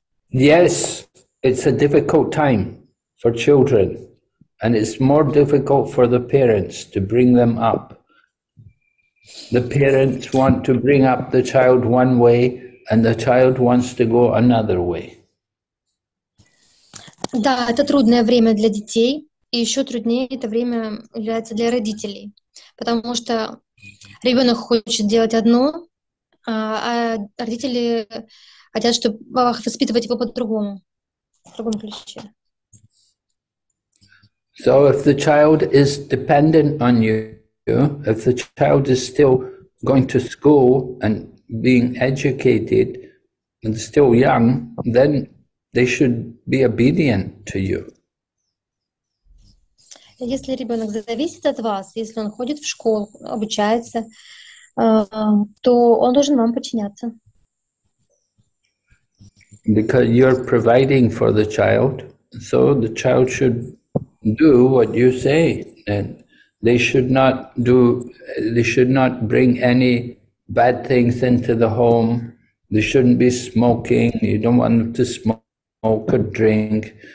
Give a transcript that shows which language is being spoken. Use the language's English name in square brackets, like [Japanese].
[English] Yes, it's a difficult time for children, and it's more difficult for the parents to bring them up. The parents want to bring up the child one way, and the child wants to go another way. [Russian] Да, это трудное время для детей, и еще труднее это время является для родителей, потому что ребенок хочет делать одно, а родители хотят, чтобы воспитывать его по-другому, в другом ключе. [English] So if the child is dependent on you, if the child is still going to school and being educated and still young, then they should be obedient to you. [Russian] Если ребенок зависит от вас, если он ходит в школу, обучается, то он должен вам подчиняться. [English] Because you're providing for the child, so the child should do what you say, and they should not bring any bad things into the home. They shouldn't be smoking. You don't want them to smoke or drink.